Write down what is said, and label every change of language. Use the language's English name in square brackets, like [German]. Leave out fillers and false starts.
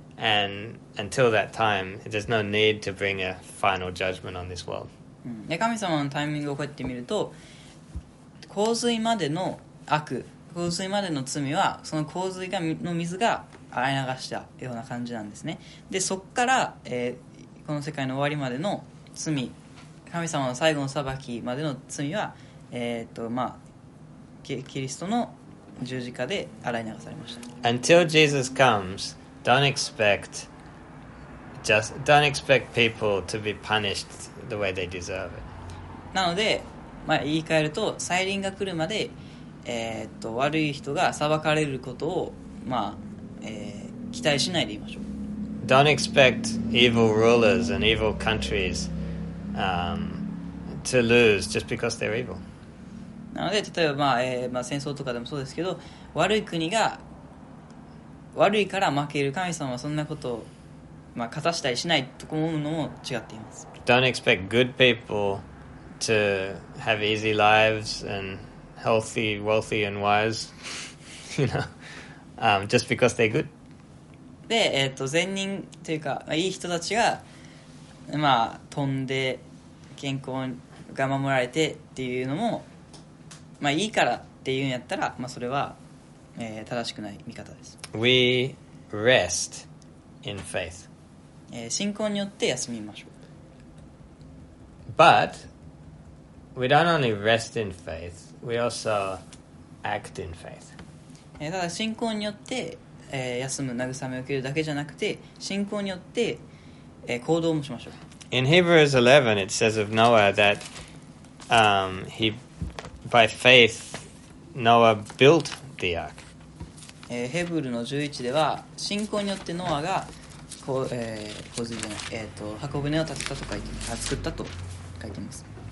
[English] And until that time, there's no need to bring a final judgment on this world. [Japanese] で、神様のタイミングをこうやって見ると、洪水までの悪、洪水までの罪は、その洪水がの水が洗い流したような感じなんですね。で、そこから、この世界の終わりまでの罪、神様の最後の裁きまでの罪は、まあ、キリストの十字架で洗い流されました。 [English] Until Jesus comes, don't expect people to be punished the way they deserve it. [Japanese] なので、まあ、言い換えると、再臨が来るまで、悪い人が裁かれることを、まあ、期待しないでいましょう。 [English] Don't expect evil rulers and evil countries, to lose just because they're evil. [Japanese] なので、例えば、まあ、まあ戦争とかでもそうですけど、悪い国が悪いから負ける、神様はそんなことを、まあ、勝たしたりしないとこも思うのも違っています。 [English] Don't expect good people to have easy lives and healthy, wealthy and wise, you know. just because they're good. [Japanese] で、善人というか、まあ、いい人たちが、まあ、飛んで健康が守られてっていうのも、まあ、いいからっていうんやったら、まあ、それは、正しくない見方です。 [English] We rest in faith. [Japanese] 信仰によって休みましょう。 [English] But we don't only rest in faith, we also act in faith. [Japanese] ただ信仰によって、休む慰めを受けるだけじゃなくて信仰によって、行動もしましょう。 [English] In Hebrews 11 it says of Noah that he by faith Noah built the ark. [Japanese] ヘブルの11では信仰によってノアが箱舟を建てたと書いて作ったと書いてます。